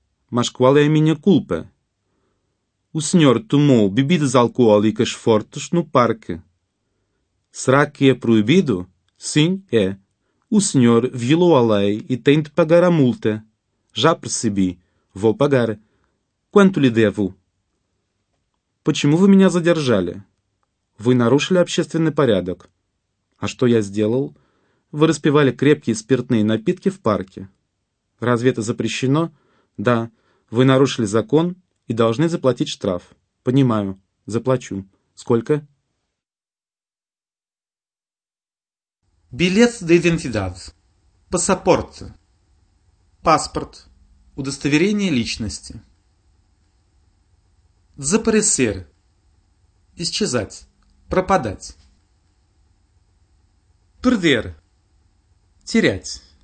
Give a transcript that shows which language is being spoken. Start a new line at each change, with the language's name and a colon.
Portuguese: Mas qual é a minha culpa? O senhor tomou bebidas alcoólicas fortes no parque. Será que é proibido? Sim, é. O senhor violou a lei e tem de pagar a multa. Já percebi. Vou pagar. Quanto lhe devo?
Russian: Почему вы меня задержали? Вы нарушили общественный порядок. А что я сделал? Вы распивали крепкие спиртные напитки в парке. Разве это запрещено? Да, вы нарушили закон и должны заплатить штраф. Понимаю. Заплачу. Сколько?
Portuguese: Билет de identidade.
Russian: Паспорт. Паспорт. Удостоверение личности.
Portuguese: Desaparecer.
Russian: Исчезать. Пропадать. Perder. терять.